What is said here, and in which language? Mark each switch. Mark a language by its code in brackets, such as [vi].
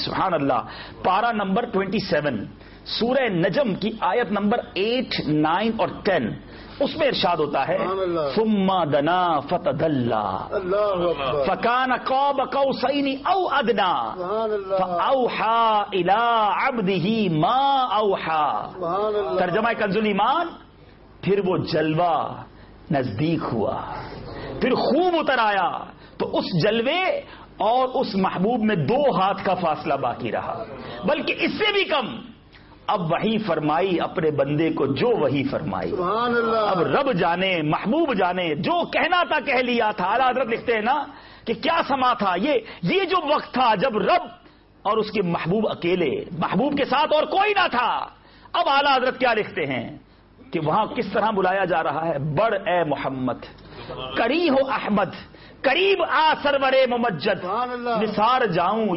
[ur] سبحان اللہ، پارا نمبر 27 سورہ نجم کی آیت نمبر 8, 9, 10 اس میں ارشاد ہوتا ہے، [ar] ثم دنا فتدلا فکان قاب قوسین او ادنا فاوحا الى عبده ما اوحا. [ur] ترجمہ کنز الایمان، پھر وہ جلوہ نزدیک ہوا، پھر خوب اتر آیا، تو اس جلوے اور اس محبوب میں دو ہاتھ کا فاصلہ باقی رہا، بلکہ اس سے بھی کم. اب وحی فرمائی اپنے بندے کو جو وحی فرمائی، سبحان اللہ. اب رب جانے محبوب جانے جو کہنا تھا کہہ لیا تھا. اعلی حضرت لکھتے ہیں نا کہ کیا سما تھا، یہ جو وقت تھا جب رب اور اس کے محبوب اکیلے، محبوب کے ساتھ اور کوئی نہ تھا. اب اعلی حضرت کیا لکھتے ہیں کہ وہاں کس طرح بلایا جا رہا ہے، بڑ اے محمد، کری ہو احمد، قریب آ سرور ممجد، نثار جاؤں.